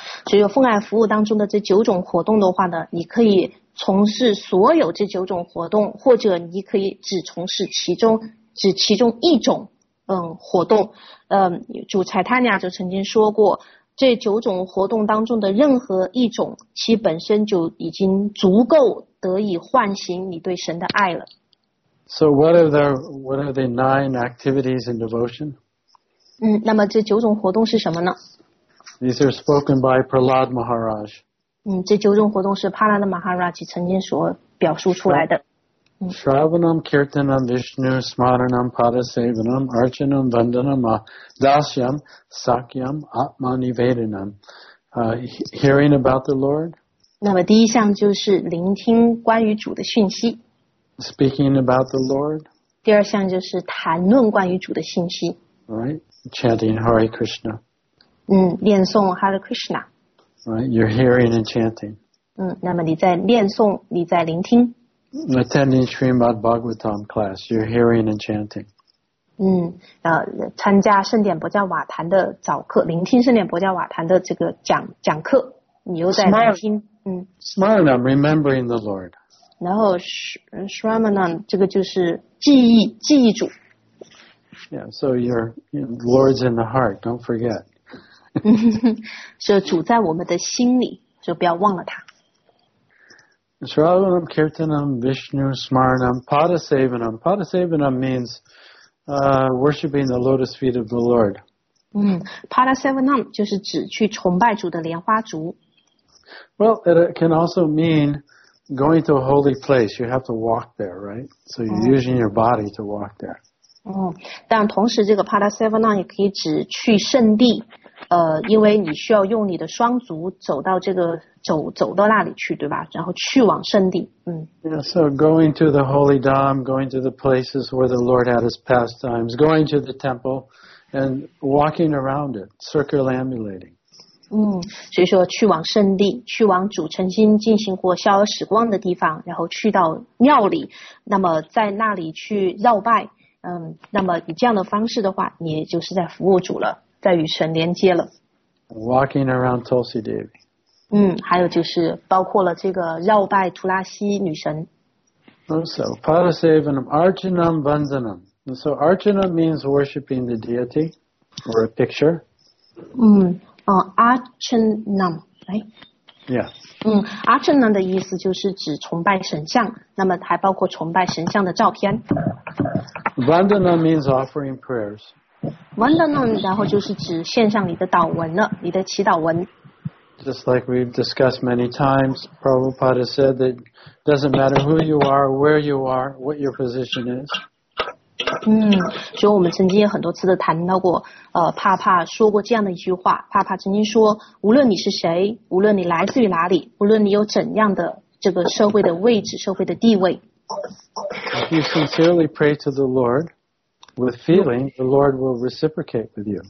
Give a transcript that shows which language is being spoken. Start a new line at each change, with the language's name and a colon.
Chinese: 所以奉爱服务当中的这九种活动的话呢，你可以从事所有这九种活动，或者你可以只从事其中一种活动。主财塔尼亚就曾经说过，这九种活动当中的任何一种，其本身就已经足够得以唤醒你对神的爱了。
English: So what are the nine activities in devotion?
Chinese: 那么这九种活动是什么呢？
English: These are spoken by Prahlad Maharaj.
Chinese: 这九种活动是帕拉的 Maharaj 曾经所表述出来的。
Sanskrit: Shravanam, Kirtanam, Vishnu, Smaranam, Padasevanam, Archanam, Vandanam, Dasyam, Sakyam, Atmanivedanam.
English: Hearing about the Lord.
Chinese: 那么第一项就是聆听关于主的讯息。
English: Speaking about the Lord.
Chinese: 第二项就是谈论关于主的信息。
English: Right, chanting Hare Krishna.
Chinese: 念诵 Hare Krishna.
English: Right, you're hearing and chanting.
Chinese: 那么你在念诵，你在聆听。
English: attending Srimad Bhagavatam class, you're hearing and chanting.
Chinese: 嗯，然后参加圣典博教瓦坛的早课，聆听圣典博教瓦坛的这个讲课，你又在聆听。
English: Smiling, I'm remembering the Lord.
Chinese: 然后 Shramanam 这个就是记忆主。
English: Yeah, so your Lord's in the heart. Don't forget.
Chinese: 是主在我们的心里，就不要忘了他。
Sanskrit: Shravanam, Kirtanam, Vishnu, Smaranam, Padasevanam.
English: Padasevanam means worshipping the lotus feet of the Lord.
Chinese: Padasevanam 就是指去崇拜主的莲花足。
English: Well, it can also mean going to a holy place. You have to walk there, right? So you're using your body to walk there.
Chinese: 但同时这个 Padasevanam 也可以指去圣地，因为你需要用你的双足走到这个走到那里去，对吧？然后去往圣地，
English: Yeah, so going to the holy dham, going to the places where the Lord had his pastimes, going to the temple, and walking around it, circumambulating.
Chinese: 所以说去往圣地，去往主曾经进行过逍遥时光的地方，然后去到庙里，那么在那里去绕拜，那么以这样的方式的话，你也就是在服务主了，在与神连接了。
English: Walking around Tulsi Devi.
Chinese: 还有就是包括了这个绕拜图拉西女神。
Sanskrit: So, Padasevanam, Archanam, Vandanam.
English: So, Archanam means worshipping the deity or a picture. Archanam, right? Yeah.
Chinese: Archanam 的意思就是指崇拜神像，那么还包括崇拜神像的照片。
English: Vandanam means offering prayers.
Chinese: Vandanam, 然后就是指献上你的祷文了，你的祈祷文。
English: Just like we've discussed many times, Prabhupada said that it doesn't matter who you are, where you are, what your position is.
Chinese: 所以我们曾经也很多次的谈到过，帕帕说过这样的一句话。帕帕曾经说，无论你是谁，无论你来自于哪里，无论你有怎样的这个社会的位置、社会的地位。
English: If you sincerely pray to the Lord with feeling, the Lord will reciprocate with you.